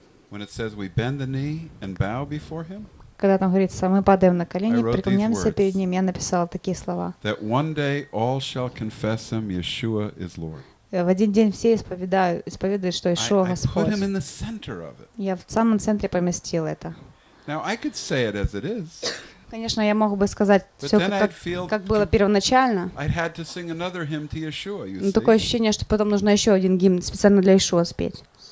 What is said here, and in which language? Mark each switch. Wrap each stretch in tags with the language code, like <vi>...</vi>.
<en>When it says we bend the knee and bow before him.</en> <ru>Когда там говорится, мы падаем на колени, преклоняемся перед Ним, я написала такие слова.</ru> <en>That one day all shall confess Him, Yeshua is Lord.</en> <ru>В один день все исповедуют, что Ишуа Господь.</ru> <en>I put Him in the center of it.</en> <ru>Я в самом центре поместил это.</ru> <en>Now I could say it as it is.</en> <ru>Конечно, я мог бы сказать все как было первоначально.</ru> <en>I'd had to sing another hymn to Yeshua, you see.</en> <ru>Такое ощущение, что потом нужно еще один гимн специально для Ишуа спеть.</ru>